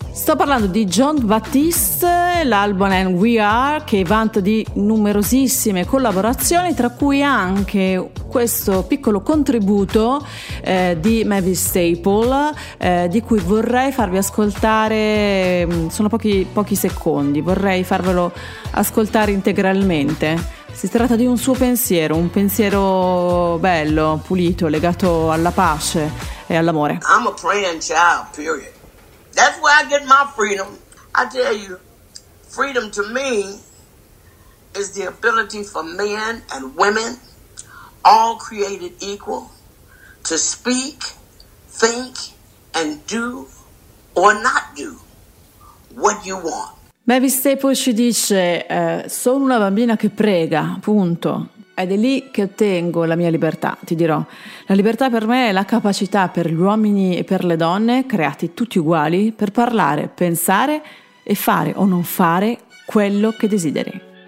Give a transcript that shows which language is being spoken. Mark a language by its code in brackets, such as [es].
[it] Sto parlando di John Batiste, l'album è We Are, che vanta di numerosissime collaborazioni, tra cui anche questo piccolo contributo di Mavis Staple, di cui vorrei farvi ascoltare, sono pochi secondi, vorrei farvelo ascoltare integralmente. Si tratta di un pensiero bello, pulito, legato alla pace e all'amore. [en] I'm a praying child, period. That's where I get my freedom. I tell you, freedom to me is the ability for men and women, all created equal, to speak, think, and do or not do what you want. [it] Mavis Staple ci dice, sono una bambina che prega, punto. Ed è lì che ottengo la mia libertà, ti dirò. La libertà per me è la capacità per gli uomini e per le donne, creati tutti uguali, per parlare, pensare e fare o non fare quello che desideri.